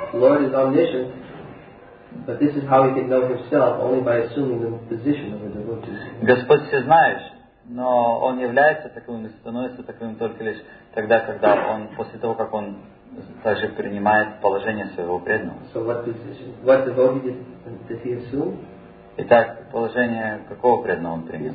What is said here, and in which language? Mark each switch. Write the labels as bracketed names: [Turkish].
[English] Lord is omniscient, but this is how he could know himself only by assuming the position of a devotee. [Russian] Господь всезнающий. Но он является таковым и становится таковым только лишь тогда, когда он, после того, как он также принимает положение своего преданного. [English] So what position, what devotee did he assume? [Russian] Итак, положение какого преданного он принял?